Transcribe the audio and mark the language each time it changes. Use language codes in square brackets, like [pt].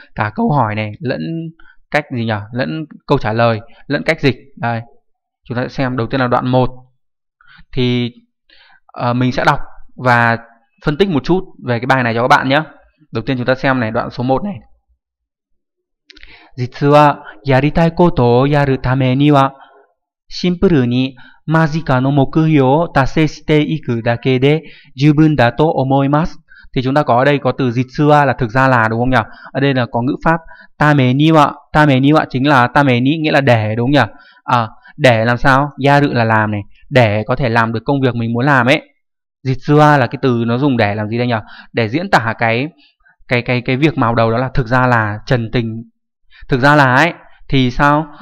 [vi] Cả câu hỏi này, lẫn cách gì nhỉ? Lẫn câu trả lời, lẫn cách dịch. Đây, chúng ta sẽ xem. Đầu tiên là đoạn 1. Thì mình sẽ đọc và phân tích một chút về cái bài này cho các bạn nhé. Đầu tiên chúng ta xem này, đoạn số 1 này. [ja] 実はやりたいことをやるためには シンプルに間近の目標を達成していくだけで十分だと思います。 [vi] Thì chúng ta có ở đây có từ jitsua là thực ra là đúng không nhỉ? Ở đây là có ngữ pháp tameniwa. Tameniwa chính là tameni nghĩa là để đúng không nhỉ? À, để làm sao? Yaru là làm này. Để có thể làm được công việc mình muốn làm ấy. Jitsua là cái từ nó dùng để làm gì đây nhỉ? Để diễn tả cái việc màu đầu đó là thực ra là trần tình. Thực ra là ấy. Thì sao?